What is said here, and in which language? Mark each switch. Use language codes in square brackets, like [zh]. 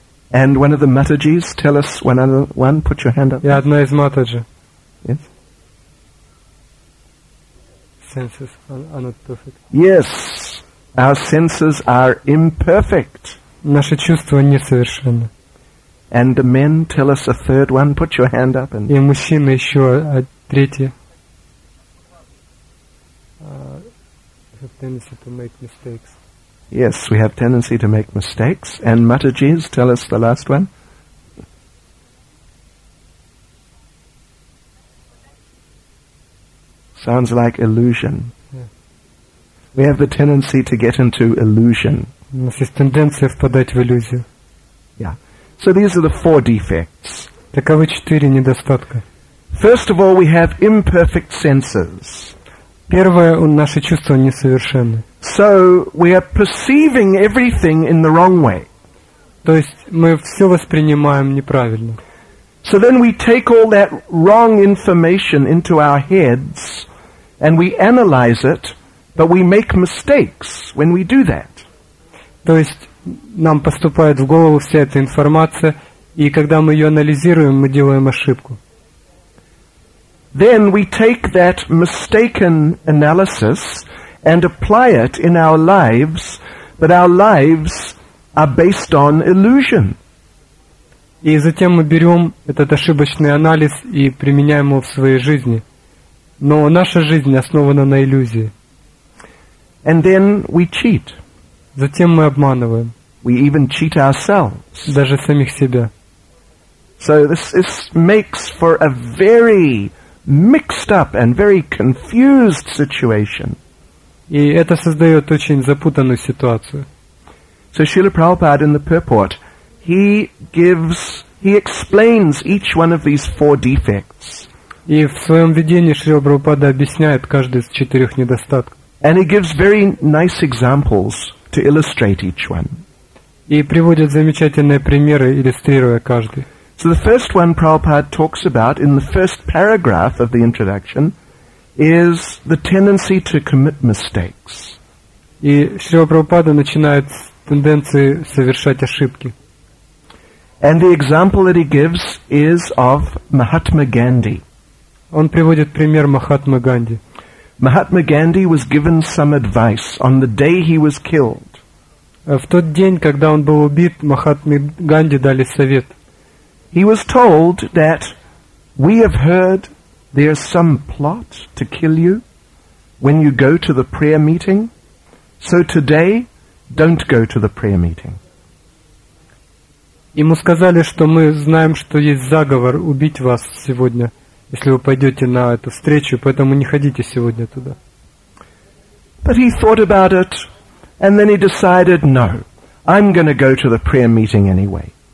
[en] And one of the Матаджис, tell us one other one. Put your hand up. [ru] Я одна из Матаджи. [en] Yes. Senses are not perfect. Yes. Our senses are imperfect. Наши чувства несовершенны. And the men tell us a third one. Put your hand up. And [ru] и мужчины еще третье. [en] Tendency to make mistakes. Yes, we have tendency to make mistakes. And Matajis, tell us the last one. Sounds like illusion. Yeah. We have the tendency to get into illusion. [ru] У нас есть тенденция впадать в иллюзию. [en] Yeah. So these are the four defects. [ru] Таковы четыре недостатка. [en] First of all, we have imperfect senses. [ru] Первое, наши чувства несовершенны. [en] So we are perceiving everything in the wrong way. [ru] То есть мы все воспринимаем неправильно. [en] So then we take all that wrong information into our heads and we analyze it, but we make mistakes when we do that. [ru] То есть нам поступает в голову вся эта информация, и когда мы ее анализируем, мы делаем ошибку. [en] Then we take that mistaken analysis and apply it in our lives, but our lives are based on illusion. [ru] И затем мы берем этот ошибочный анализ и применяем его в своей жизни. Но наша жизнь основана на иллюзии. [en] And then we cheat. [ru] Затем мы обманываем. [en] We even cheat ourselves. [ru] Даже самих себя. [en] So this makes for a very mixed up and very confused situation. [ru] И это создает очень запутанную ситуацию. [en] So Srila Prabhupada in the purport, he explains each one of these four defects. [ru] И в своем введении Шрила Прабхупада объясняет каждый из четырех недостатков. [en] And he gives very nice examples to illustrate each one. [ru] И приводит замечательные примеры, иллюстрируя каждый. [en] So the first one Prabhupada talks about in the first paragraph of the introduction is the tendency to commit mistakes. [ru] И Шрила Прабхупада начинает с тенденции совершать ошибки. [en] And the example that he gives is of Mahatma Gandhi. [ru] Он приводит пример Махатмы Ганди. [en] Mahatma Gandhi was given some advice on the day he was killed. [ru] В тот день, когда он был убит, Махатме Ганди дали совет. [en] He was told that we have heard there's some plot to kill you when you go to the prayer meeting, so today don't go to the prayer meeting. [ru] Ему сказали, что мы знаем, что есть заговор убить вас сегодня, если вы пойдете на эту встречу, поэтому не ходите сегодня туда. [en] But he thought about it, and then he decided, no, I'm going to go to the prayer meeting anyway.